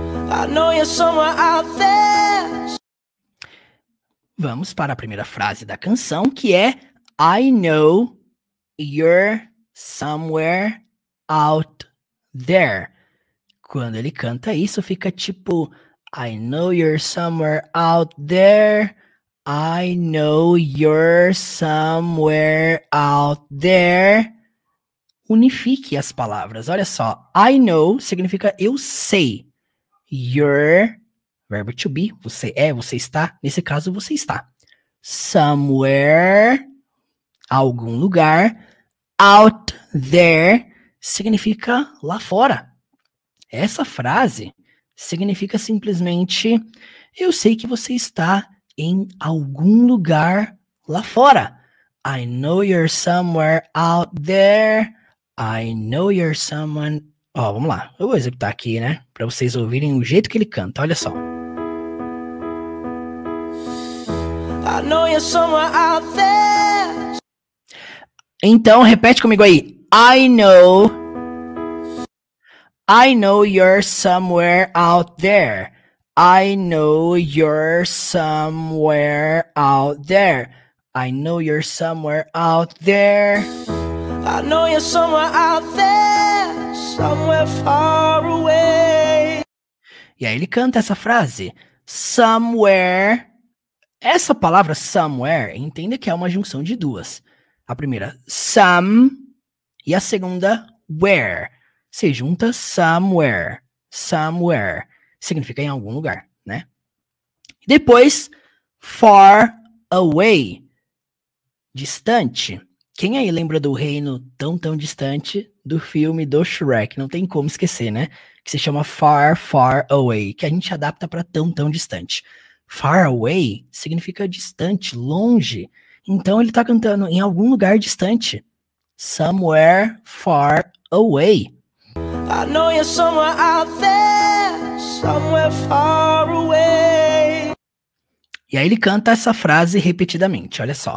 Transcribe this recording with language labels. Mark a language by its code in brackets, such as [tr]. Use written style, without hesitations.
[en] I know you're somewhere out there. [pt] Vamos para a primeira frase da canção, que é [en] I know you're somewhere out there. [pt] Quando ele canta isso, fica tipo [en] I know you're somewhere out there. I know you're somewhere out there. [pt] Unifique as palavras. Olha só. I know significa eu sei. You're, verbo to be. Você é, você está. Nesse caso, você está. Somewhere, algum lugar. out there significa lá fora. Essa frase significa simplesmente eu sei que você está em algum lugar lá fora. [en] I know you're somewhere out there. I know you're someone... [pt] Ó, vamos lá. Eu vou executar aqui, né? Pra vocês ouvirem o jeito que ele canta. Olha só. [en] I know you're somewhere out there. [pt] Então, repete comigo aí. [en] I know you're somewhere out there. I know you're somewhere out there. I know you're somewhere out there. I know you're somewhere out there, somewhere far away. [pt] E aí ele canta essa frase. Somewhere. Essa palavra somewhere, entenda que é uma junção de duas. A primeira, some. E a segunda, where. Se junta somewhere. Somewhere. Significa em algum lugar, né? Depois, far away. Distante. Quem aí lembra do reino tão, tão distante do filme do Shrek? Não tem como esquecer, né? Que se chama Far, Far Away, que a gente adapta para tão, tão distante. Far away significa distante, longe. Então, ele tá cantando em algum lugar distante. [en] Somewhere far away. I know you're somewhere out there, somewhere far away. [pt] E aí ele canta essa frase repetidamente, olha só.